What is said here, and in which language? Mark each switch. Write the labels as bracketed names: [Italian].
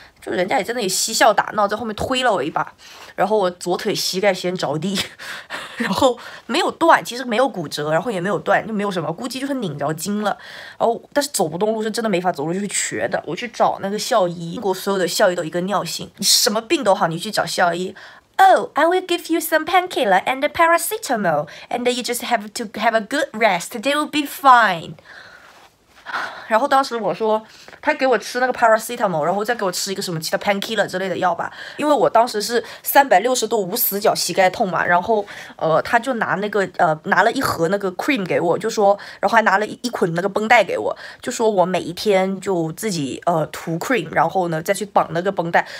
[Chinese] 就人家也在那里嬉笑打闹，在后面推了我一把，然后我左腿膝盖先着地，然后没有断，其实没有骨折，然后也没有断，就没有什么，估计就是拧着筋了。然后但是走不动路，是真的没法走路，就是瘸的。我去找那个校医，英国所有的校医都一个尿性，你什么病都好，你去找校医。 [English] Oh, I will give you some painkiller and paracetamol, and you just have to have a good rest. They will be fine. [Chinese] 然后当时我说他给我吃那个 paracetamol， 然后再给我吃一个什么其他 painkiller 之类的药吧，因为我当时是360度无死角膝盖痛嘛。然后他就拿那个拿了一盒那个 cream 给我，就说，然后还拿了一捆那个绷带给我，就说我每一天就自己涂 cream， 然后呢再去绑那个绷带。